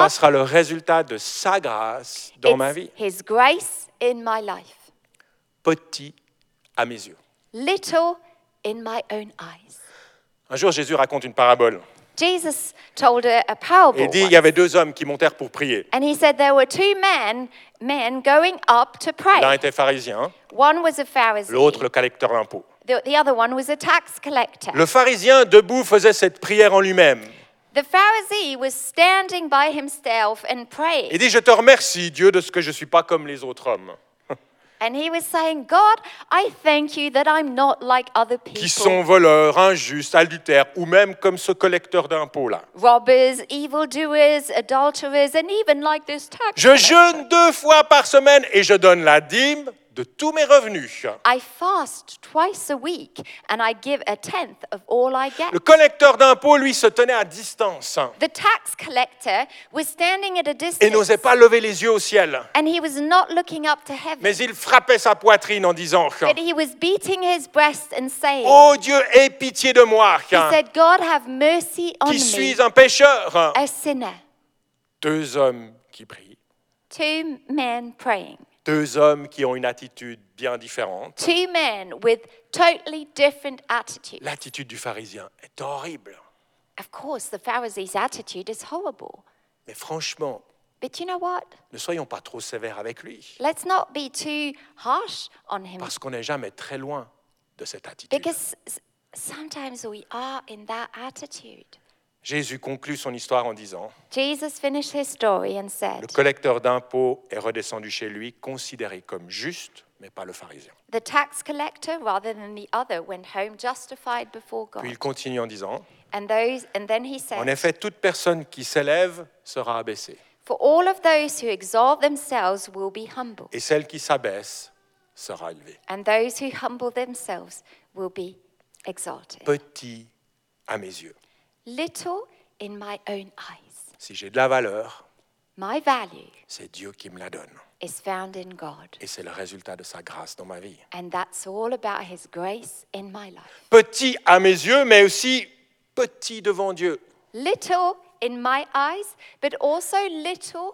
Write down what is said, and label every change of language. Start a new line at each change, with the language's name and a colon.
French: ça sera le résultat de sa grâce dans
English: it's
French: ma vie.
English: His grace in my life.
French: Petit à mes yeux.
English: Little in my own eyes.
French: Un jour, Jésus raconte une parabole.
English: Jesus told a parable.
French: Il dit il y avait deux hommes qui montèrent pour prier.
English: And he said there were two men going up to pray.
French: L'un était pharisien.
English: One was a Pharisee.
French: L'autre le collecteur d'impôts.
English: The other one was a tax collector.
French: Le pharisien debout faisait cette prière en lui-même.
English: The Pharisee was standing by himself and praying.
French: Il dit je te remercie Dieu de ce que je suis pas comme les autres hommes.
English: And he was saying, God, I thank you that I'm not like other people.
French: Qui sont voleurs, injustes, adultères, ou même comme ce collecteur d'impôts là.
English: Robbers, evildoers, adulterers, and even like this tax collector.
French: Je jeûne deux fois par semaine et je donne la dîme de tous mes revenus.
English: I fast twice a week and I give a tenth of all I get.
French: Le collecteur d'impôts, lui, se tenait à distance.
English: The tax collector was standing at a distance.
French: Et n'osait pas lever les yeux au ciel.
English: And he was not looking up to heaven.
French: Mais il frappait sa poitrine en disant.
English: But he was beating his breast and saying.
French: Oh Dieu, aie pitié de moi.
English: He said, God, have mercy on
French: qui
English: me.
French: Qui suis un pécheur.
English: A sinner.
French: Deux hommes qui prient.
English: Two men praying.
French: Deux hommes qui ont une attitude bien différente.
English: Two men with totally different attitudes.
French: L'attitude du pharisien est horrible.
English: Of course, the Pharisee's attitude is horrible.
French: Mais franchement,
English: but you know what?
French: Ne soyons pas trop sévères avec lui.
English: Let's not be too harsh on him.
French: Parce qu'on n'est jamais très loin de cette attitude.
English: Because sometimes we are in that attitude.
French: Jésus conclut son histoire en disant
English: Jesus finished his story and said,
French: le collecteur d'impôts est redescendu chez lui, considéré comme juste, mais pas le pharisien.
English: The tax collector, rather than the other, went home justified before God.
French: Puis il continue en disant
English: and then he said,
French: en effet, toute personne qui s'élève sera abaissée.
English: For all of those who exalt themselves will be humbled.
French: Et celle qui s'abaisse sera élevée.
English: And those who humble themselves will be exalted.
French: Petit à mes yeux.
English: Little in my own eyes.
French: Si j'ai de la valeur,
English: my value,
French: c'est Dieu qui me la donne.
English: Is found in God.
French: Et c'est le résultat de sa grâce dans ma vie.
English: And that's all about his grace in my life.
French: Petit à mes yeux, mais aussi petit devant Dieu.
English: Little in my eyes, but also little before God.